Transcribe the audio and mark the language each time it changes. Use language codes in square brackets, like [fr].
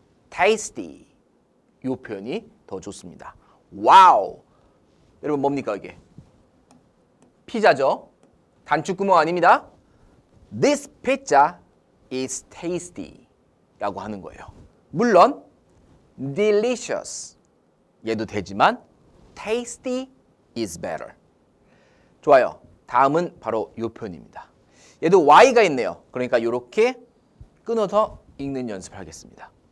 [ko] tasty. 요 표현이 더 좋습니다. 와우. 여러분 뭡니까 이게? 피자죠? 단축구멍 아닙니다. [en] This pizza is tasty. [ko] 라고 하는 거예요. 물론 delicious. 얘도 되지만 [en] tasty is better. [ko] 좋아요. 다음은 바로 요 표현입니다. 얘도 Y가 있네요. 그러니까 이렇게 끊어서 읽는 연습을 하겠습니다.